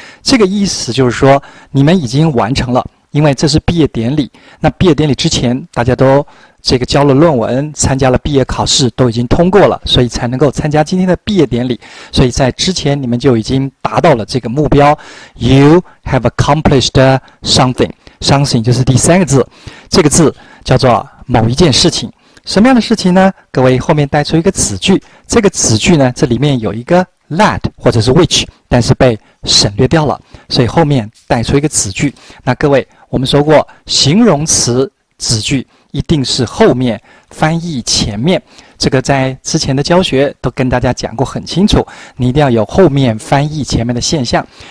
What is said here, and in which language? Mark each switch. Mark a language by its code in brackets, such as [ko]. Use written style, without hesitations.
[zh] 这个意思就是说，你们已经完成了，因为这是毕业典礼。那毕业典礼之前，大家都这个交了论文，参加了毕业考试，都已经通过了，所以才能够参加今天的毕业典礼。所以在之前你们就已经达到了这个目标。 [en] You have accomplished something. [zh] Something 就是第三个字，这个字叫做某一件事情。什么样的事情呢？各位后面带出一个子句，这个子句呢，这里面有一个 that 或者是 which， 但是被省略掉了，所以后面带出一个子句。那各位，我们说过形容词子句一定是后面翻译前面，这个在之前的教学都跟大家讲过很清楚，你一定要有后面翻译前面的现象。